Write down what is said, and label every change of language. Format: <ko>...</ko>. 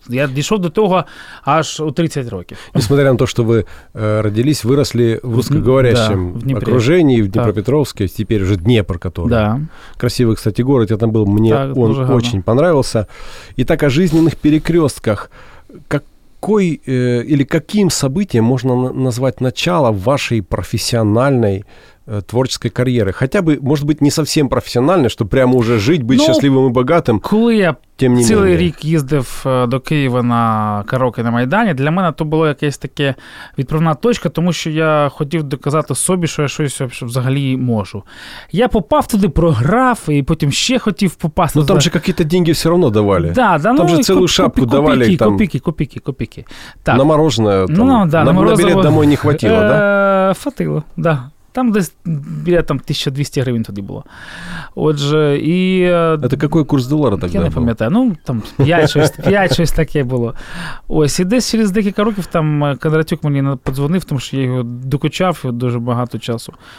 <uk>Я дійшов до того аж у 30 років. Несмотря на те, що ви родились, виросли в русскоговорящому окруженні, в Дніпропетровську, тепер вже Дніпр, який. Да. Красивий, кстати, город. Я там був, мені він дуже подобався. І так, о життєвих перекрестках.</uk> <ru>Какой или каким событием можно назвать начало вашей профессиональной творческой карьеры? Хотя бы, может быть, не совсем профессиональной, чтобы прямо уже жить, быть счастливым и богатым.</ru> <uk>Коли я цілий рік їздив до Києва на караоке на Майдані, для мене то було якесь таке відправна точка, тому що я хотів доказати собі, що я щось взагалі можу. Я попав туди, програв, і потім ще хотів попасти. Ну там же якісь деньги все одно давали. Да, да, там же цілу шапку давали. Копійки, копійки, копійки, копійки. На морожене, там, ну, да, на білет домой не хватило, да? Хватило, да. Там десь біля там 1200 гривень тоді було. Отже, і... Це який курс долара тоді був? Я не пам'ятаю. Ну, там 5 щось таке було. Ось, і десь через декілька років там Кондратюк мені подзвонив, тому що я його докучав дуже багато часу.</uk>